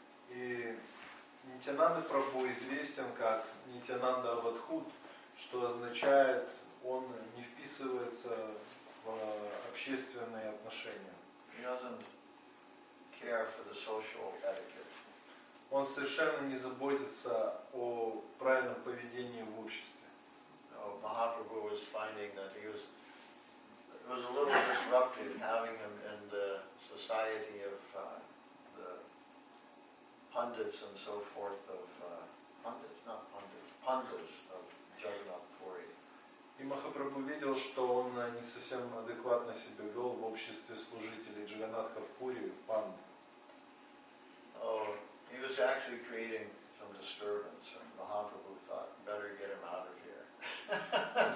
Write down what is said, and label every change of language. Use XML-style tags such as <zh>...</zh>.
<ru>И Нитянанда Прабху известен как Нитянанда Авадхут, что означает, он не вписывается в общественные отношения.</ru> <en>He doesn't care for the social etiquette.</en> <ru>Он совершенно не заботится о правильном поведении в обществе.</ru> <en>Mahaprabhu was finding that he was It was a little disruptive having him in the society of the pundits and so forth of pundits of Jagannath Puri.</en> <ru>И Махапрабху видел, что он не совсем адекватно себя вел в обществе служителей Джаганатха в Пури, в панд.</ru> <en>He was actually creating some disturbance, and Mahaprabhu thought, better get him out of here.</en> <ru>На</ru>